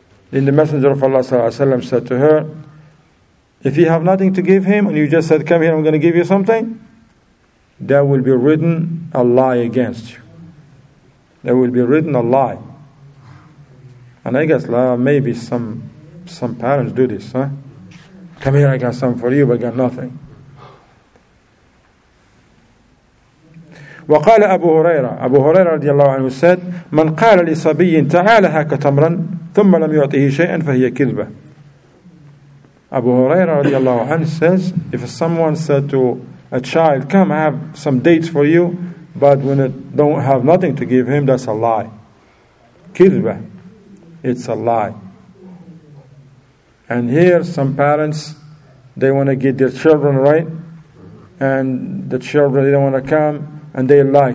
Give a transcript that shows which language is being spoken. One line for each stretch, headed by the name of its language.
English: Then the Messenger of Allah
Arabic: sallallahu alayhi wa sallam
English: said to her, if you have nothing to give him, and you just said, come here, I'm going to give you something, there will be written a lie against you. There will be written a lie. And I guess maybe some parents do this. Huh? Come here, I got something for you, but I got nothing.
Arabic: وقال أبو هريرة رضي الله عنه
English: said,
Arabic: من قال لصبي تعال هاك تمرا ثم لم يعطيه شيئا فهي كذبة.
English: Abu Huraira
Arabic: radiallahu anhu
English: says, if someone said to a child, come, I have some dates for you, but when it don't have nothing to give him, that's a lie. Kidba. It's a lie. And here, some parents, they want to get their children right, and the children, they don't want to come, and they lie.